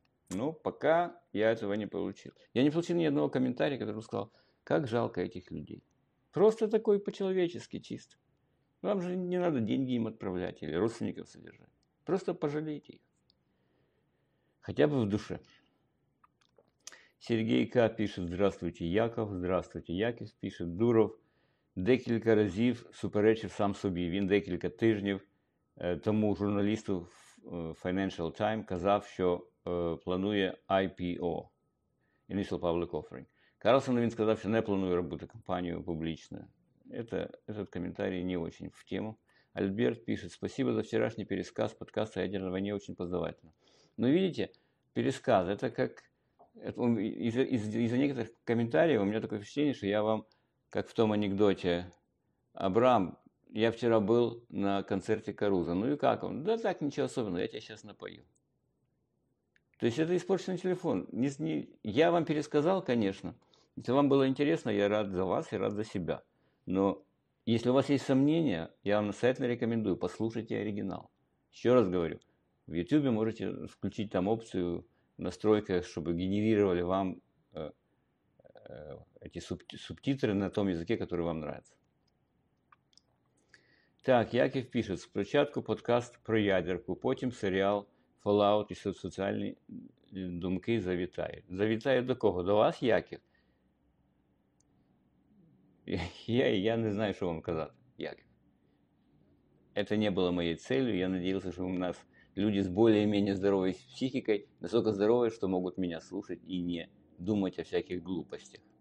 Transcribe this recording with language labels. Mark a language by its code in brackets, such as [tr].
[ru] Но пока я этого не получил. Я не получил ни одного комментария, который сказал, как жалко этих людей. Просто такой по-человечески чист. Вам же не надо деньги им отправлять или родственников содержать. Просто пожалейте их. Хотя бы в душе. Сергей К. пишет, здравствуйте, Яков. Здравствуйте, Яков. Пишет, Дуров. [uk] Декілька разів суперечив сам собі. Він декілька тижнів тому журналісту Financial Times казав, що планує IPO, Initial Public Offering. Карлсону він сказав, що не планує робити компанію публічно. [ru] Этот коментарий не очень в тему. Альберт пишет, спасибо за вчерашний пересказ подкаста «Ядерная война», очень познавательно. Ну, видите, пересказ, это как... Из-за некоторых комментариев у меня такое впечатление, что я вам, как в том анекдоте, Абрам, я вчера был на концерте Каруза. Ну и как он? Да так, ничего особенного, я тебя сейчас напою. То есть это испорченный телефон. Я вам пересказал, конечно. Если вам было интересно, я рад за вас и рад за себя. Но если у вас есть сомнения, я вам настоятельно рекомендую, послушайте оригинал. Еще раз говорю, в YouTube можете включить там опцию в настройках, чтобы генерировали вам эти субтитры на том языке, который вам нравится. [uk] Так, Яків пишет, спочатку подкаст про ядерку, потім серіал Fallout і соціальні думки завітають. Завітає до кого? До вас, Яків? Я не знаю, що вам казати, Яків. Це не було моєю целью, я надіявся, що у нас люди з більш-менш здоровою психікою, настільки здорові, що можуть мене слухати і не думати [ru] о всяких глупостях.